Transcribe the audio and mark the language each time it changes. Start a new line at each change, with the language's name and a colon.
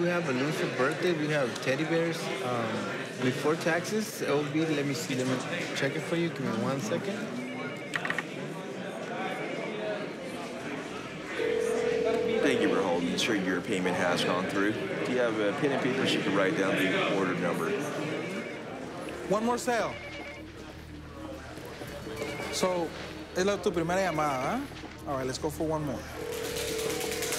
English: We have balloons for birthday. We have teddy bears. Before taxes, it will be, let me see, let me check it for you. Give me 1 second. Thank you for holding. I'm sure your payment has gone through. Do you have a pen and paper so you can write down the order number? One more sale.
Spanish: So, es la tu primera llamada, huh?
English: All right, let's go for one more.